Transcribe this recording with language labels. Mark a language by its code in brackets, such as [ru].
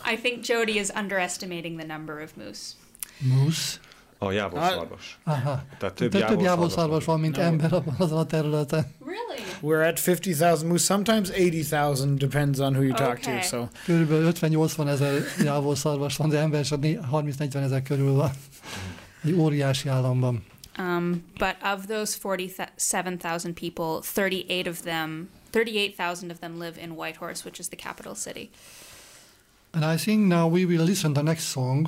[en] I think Jody is underestimating the number of moose. Moose? [hu] Oh, jávolszarvas. Aha. Több jávolszarvas van, mint ember azon a területen. [en] Really? We're at 50,000 moose. Sometimes 80,000, depends on who you talk to. So. [hu] Körülbelül 50-80 ezer jávolszarvas van, de ember is 30-40 ezer körül van. Egy óriási államban. [en] But of those 47,000 people, 38,000 of them live in Whitehorse, which is the capital city. And I think now we will listen to the next song.